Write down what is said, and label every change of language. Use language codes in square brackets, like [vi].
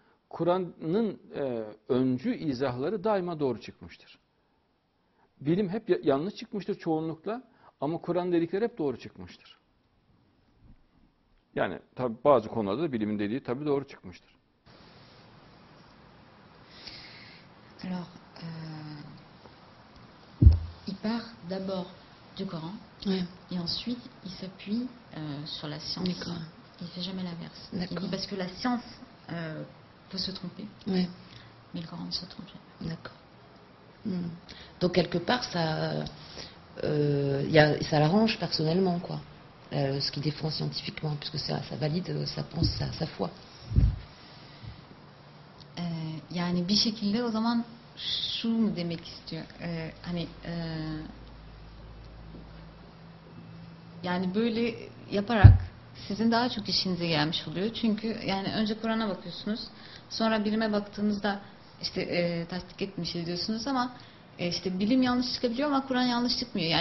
[tr] Kur'an'ın öncü izahları daima doğru çıkmıştır. Bilim hep yanlış çıkmıştır çoğunlukla ama Kur'an dedikleri hep doğru çıkmıştır. Yani tabi bazı konularda da bilimin dediği tabi doğru çıkmıştır. [fr] Alors, il part d'abord du Coran et ensuite il s'appuie sur la science. D'accord. Il ne fait jamais l'inverse. D'accord. Il dit parce que la science peut se tromper. Oui. Mais le Coran ne se trompe jamais. D'accord. Donc quelque part ça, ça l'arrange personnellement quoi. Ce qu'il défend scientifiquement, puisque ça valide sa pensée, sa foi. [tr] Yani bir şekilde o zaman şu mu demek istiyor? Hani yani böyle yaparak sizin daha çok işinize gelmiş oluyor. Çünkü yani önce Kur'an'a bakıyorsunuz, sonra bilime baktığınızda işte tasdik etmiş ediyorsunuz ama işte bilim yanlış çıkabiliyor ama Kur'an yanlış çıkmıyor.